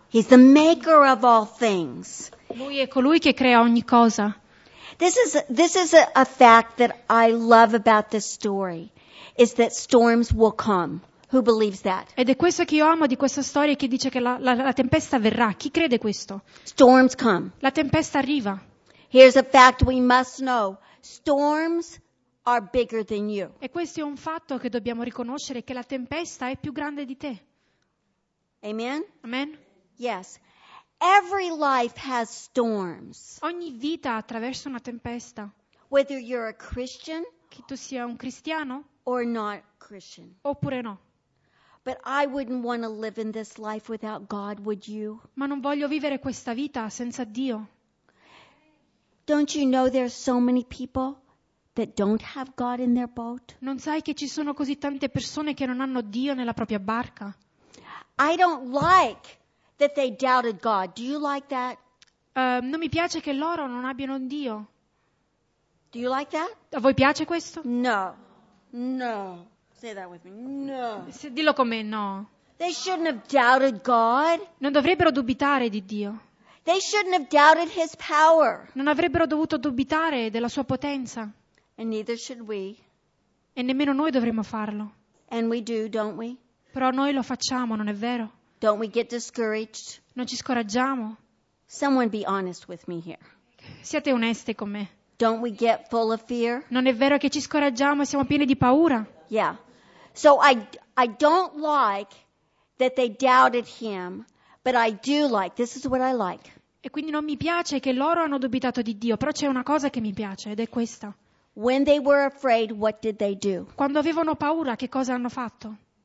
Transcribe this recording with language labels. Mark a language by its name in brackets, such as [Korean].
[English] He's the maker of all things. [Italian] Lui è colui che crea ogni cosa. [English] This is a fact that I love about this story, is that storms will come. Who believes that? [Italian] Ed è questo che io amo di questa storia, che dice che la tempesta verrà. Chi crede questo? [English] Storms come. [Italian] La tempesta arriva. [English] Here's a fact we must know. Storms are bigger than you. [Italian] E questo è un fatto che dobbiamo riconoscere, che la tempesta è più grande di te. [English] Amen. [Italian] Amen. [English] Yes. Every life has storms. [Italian] Ogni vita attraversa una tempesta. [English] Whether you're a Christian, [Italian] che tu sia un cristiano, [English] or not Christian, [Italian] oppure no. [English] But I wouldn't want to live in this life without God, would you? [Italian] Ma non voglio vivere questa vita senza Dio. [English] Don't you know there are so many people that don't have God in their boat? [Italian] Non sai che ci sono così tante persone che non hanno Dio nella propria barca? [English] I don't like that they doubted God. Do you like that? [Italian] Non mi piace che loro non abbiano un Dio. [English] Do you like that? [Italian] A voi piace questo? [English] No. No. Say that with me. No. [Italian] Dillo con me, no. [English] They shouldn't have doubted God. [Italian] Non dovrebbero dubitare di Dio. [English] They shouldn't have doubted his power. [Italian] Non avrebbero dovuto dubitare della sua potenza. [English] And neither should we. [Italian] E nemmeno noi dovremmo farlo. [English] And we do, don't we? [Italian] Però noi lo facciamo, non è vero? [English] Don't we get discouraged? [Italian] Non ci scoraggiamo? [English] Someone be honest with me here. [Italian] Siate oneste con me. [English] Don't we get full of fear? [Italian] Non è vero che ci scoraggiamo e siamo pieni di paura? [English] Yeah. So I don't like that they doubted him, but I do like, this is what I like. [Italian] E quindi non mi piace che loro hanno dubitato di Dio, però c'è una cosa che mi piace ed è questa. [English] When they were afraid, what did they do? [Italian] Quando avevano paura, che cosa hanno fatto?